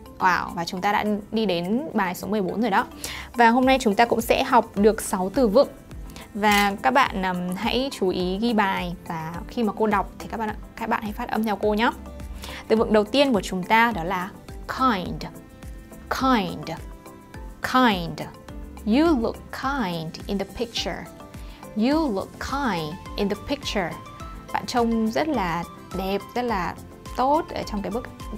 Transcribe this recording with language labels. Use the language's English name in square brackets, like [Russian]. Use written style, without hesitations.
[Vietnamese] Wow, và chúng ta đã đi đến bài số 14 rồi đó. Và hôm nay chúng ta cũng sẽ học được 6 từ vựng. Và các bạn hãy chú ý ghi bài và khi mà cô đọc thì các bạn hãy phát âm theo cô nhé. Từ vựng đầu tiên của chúng ta đó là kind. [English] Kind. Kind. You look kind in the picture. You look kind in the picture. [Vietnamese] Bạn trông rất là đẹp, rất là tốt ở trong cái bức.